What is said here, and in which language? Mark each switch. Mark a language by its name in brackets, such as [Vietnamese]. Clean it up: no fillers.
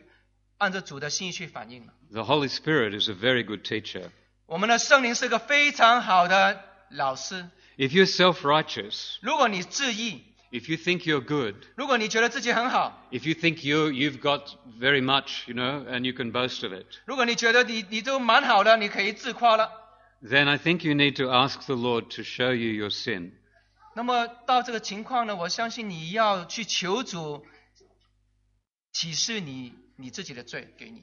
[Chinese] 慢慢，今天觉得是没可能的，但是有一天我们就很自然去按着主的心意去反应了。 [English] The Holy Spirit is a very good teacher. [Chinese] 我们的圣灵是个非常好的老师。 [English] If you're self-righteous, [Chinese] 如果你自义, [English] if you think you're good, [Chinese] 如果你觉得自己很好, [English] if you think you've got very much, you know, and you can boast of it, [Chinese] 如果你觉得你都蛮好的，你可以自夸了, [English] then I think you need to ask the Lord to show you your sin. [Chinese] 那么到这个情况呢，我相信你要去求主启示你自己的罪给你。